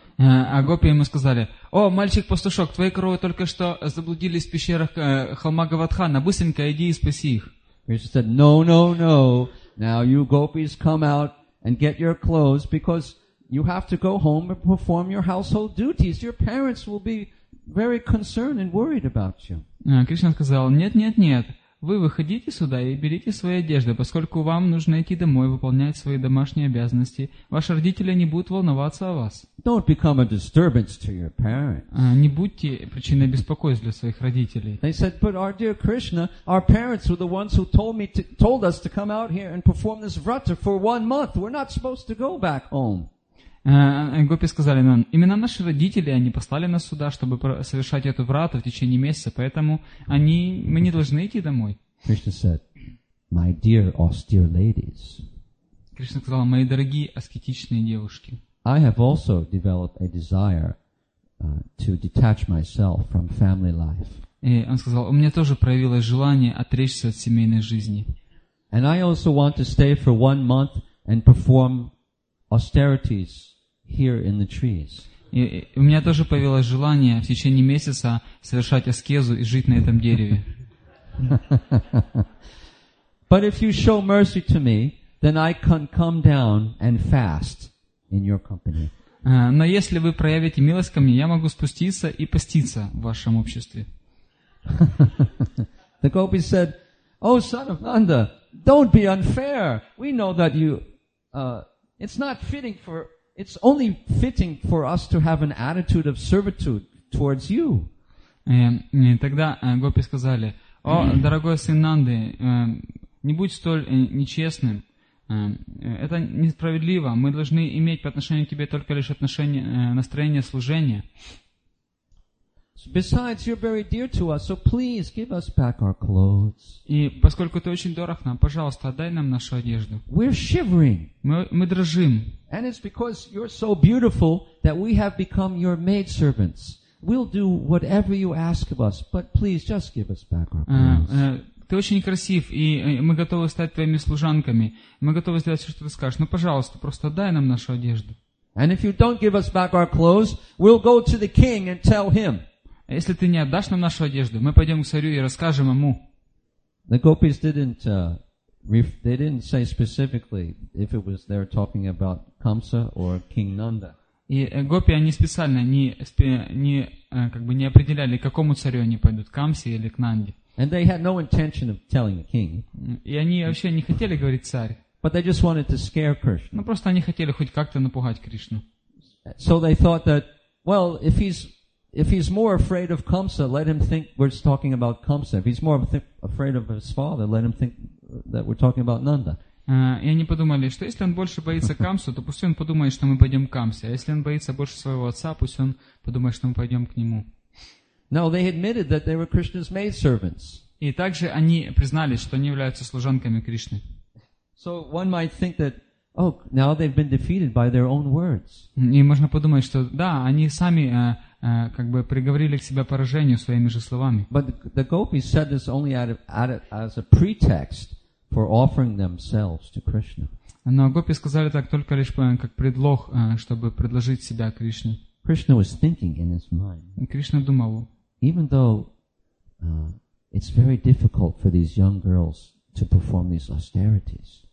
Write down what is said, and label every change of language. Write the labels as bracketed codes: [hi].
[ru] А гопи ему сказали, «О, мальчик-пастушок, твои коровы только что заблудились в пещерах холма Гавадхана. Быстренько иди и спаси их». [en] Krishna said, no, no, no. Now you gopis come out and get your clothes because you have to go home and perform your household duties. Your parents will be very concerned and worried about you. [ru] Krishna сказал, нет, нет, нет. Вы выходите сюда и берите свои одежды, поскольку вам нужно идти домой, выполнять свои домашние обязанности. Ваши родители не будут волноваться о вас. [en] Don't become a disturbance to your parents. [ru] Не будьте причиной беспокойства для своих родителей. [en] They said, but our dear Krishna, our parents were the ones who told us to come out here and perform this vrata for one month. We're not supposed to go back home. [ru] Гопи сказали, но именно наши родители, они послали нас сюда, чтобы совершать эту врату в течение месяца, поэтому мы не должны идти домой. [en] Krishna said, my dear austere ladies. [ru] Кришна сказал, мои дорогие аскетичные девушки. [en] I have also developed a desire to detach myself from family life. [ru] И он сказал, у меня тоже проявилось желание отречься от семейной жизни. [en] And I also want to stay for one month and perform austerities here in the trees. [ru] У меня тоже появилось желание в течение месяца совершать аскезу и жить на этом дереве. [en] But if you show mercy to me, then I can come down and fast in your company. [ru] Но если вы проявите милость ко мне, я могу спуститься и поститься в вашем обществе. [en] The gopi said, Oh, Saravananda, don't be unfair. We know that you, it's not fitting for, it's only fitting for us to have an attitude of servitude towards you. [ru] И тогда гопи сказали, о, дорогой сын Нанды, не будь столь нечестным. Это несправедливо. Мы должны иметь по отношению к тебе только лишь отношение, настроение служения. [en] Besides, you're very dear to us, so please give us back our clothes. [ru] И поскольку ты очень дорог нам, пожалуйста, отдай нам нашу одежду. [en] We're shivering. [ru] Мы дрожим. [en] And it's because you're so beautiful that we have become your maidservants. We'll do whatever you ask of us, but please just give us back our clothes. [ru] Ты очень красив, и мы готовы стать твоими служанками. Мы готовы сделать все, что ты скажешь. Но, пожалуйста, просто отдай нам нашу одежду. [en] And if you don't give us back our clothes, we'll go to the king and tell him. [ru] Если ты не отдашь нам нашу одежду, мы пойдем к царю и расскажем ему. [en] The gopis didn't, they didn't say specifically if it was they're talking about Kamsa or King Nanda. [ru] И гопи, они специально не определяли, к какому царю они пойдут, к Камсе или к Нанде. [en] And they had no intention of telling the king. [ru] И они вообще не хотели говорить царь. [en] But they just wanted to scare Krishna. [ru] Ну, просто они хотели хоть как-то напугать Кришну. [en] So they thought that, well, if he's more afraid of Kamsa, let him think we're talking about Kamsa. If he's more afraid of his father, let him think that we're talking about Nanda. [ru] И они подумали, что если он больше боится Камсу, то пусть он подумает, что мы пойдем к Камсе. А если он боится больше своего отца, пусть он подумает, что мы пойдем к нему. [en] Now they admitted that they were Krishna's maidservants. [ru] И также они признались, что они являются служанками Кришны. [en] So one might think that, oh, now they've been defeated by their own words. [ru] И можно подумать, что да, они сами как бы приговорили к себе поражению своими же словами. [en] But the gopis said this only as a pretext for offering themselves to Krishna. [ru] Но гопи сказали так только лишь как предлог, чтобы предложить себя Кришне. [en] Krishna was thinking in his mind. [ru] Кришна думал. [en] Even though it's very difficult for these young girls to perform these austerities.